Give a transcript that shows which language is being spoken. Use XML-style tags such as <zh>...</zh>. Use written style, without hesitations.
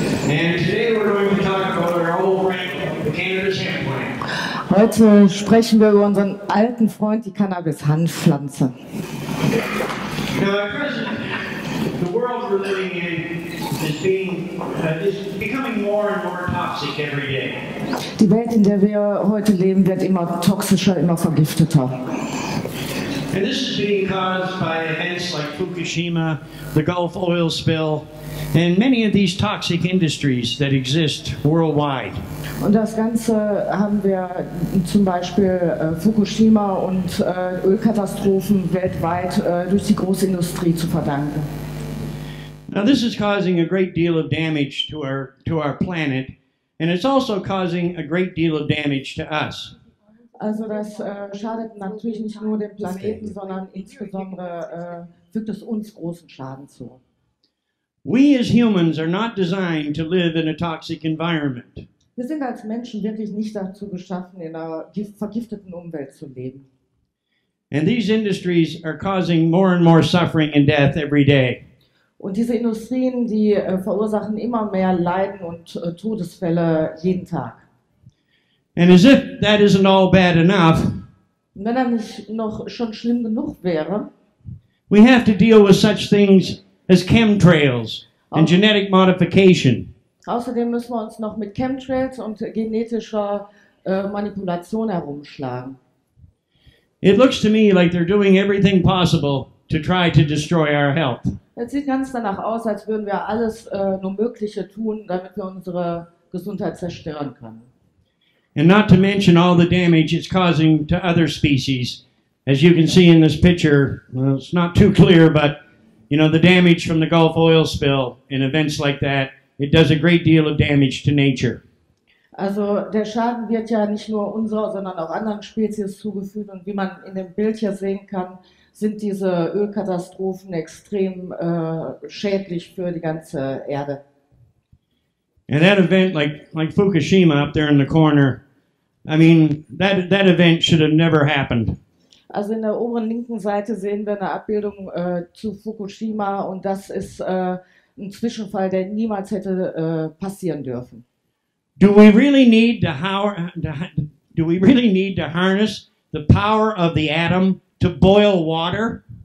<en>And today we're going to talk about our old friend, the cannabis hemp plant.</en> <de>Heute sprechen wir über unseren alten Freund, die Cannabis-Hanfpflanze.</de> <en>Now, at present, the world we're living in is becoming more and more toxic every day.</en> <de>Die Welt, in der wir heute leben, wird immer toxischer, immer vergifteter.</de> <en>And this is being caused by events like Fukushima, the Gulf oil spill, and many of these toxic industries that exist worldwide.</en> <de>Und das Ganze haben wir zum Beispiel Fukushima und Ölkatastrophen weltweit durch die Großindustrie zu verdanken.</de> <en>Now this is causing a great deal of damage to our planet, and it's also causing a great deal of damage to us.</en> <de>Also das schadet natürlich nicht nur dem Planeten, sondern insbesondere fügt es uns großen Schaden zu.</de> <en>We as humans are not designed to live in a toxic environment.</en> <de>Wir sind als Menschen wirklich nicht dazu geschaffen, in einer vergifteten Umwelt zu leben.</de> <en>And these industries are causing more and more suffering and death every day.</en> <de>Und diese Industrien, die verursachen immer mehr Leiden und Todesfälle jeden Tag.</de> <en>And as if that isn't all bad enough,</en> <de>wenn das nicht noch schon schlimm genug wäre,</de> <en>we have to deal with such things as chemtrails and genetic modification.</en> <de>Außerdem müssen wir uns noch mit Chemtrails und genetischer Manipulation herumschlagen.</de> <en>It looks to me like they're doing everything possible to try to destroy our health.</en> <de>Es sieht ganz danach aus, als würden wir alles nur Mögliche tun, damit wir unsere Gesundheit zerstören können.</de> <en>And not to mention all the damage it's causing to other species. As you can see in this picture, well, it's not too clear, but you know, the damage from the Gulf oil spill and events like that, it does a great deal of damage to nature.</en> <de>Also der Schaden wird ja nicht nur unserer, sondern auch anderen Spezies zugefügt. Und wie man in dem Bild hier sehen kann, sind diese Ölkatastrophen extrem schädlich für die ganze Erde.</de> <en>And that event like Fukushima up there in the corner, I mean, that event should have never happened.</en> <de>Also in der oberen linken Seite sehen wir eine Abbildung zu Fukushima, und das ist ein Zwischenfall, der niemals hätte passieren dürfen.</de> <en>Do we really need to harness the power of the atom to boil water?</en>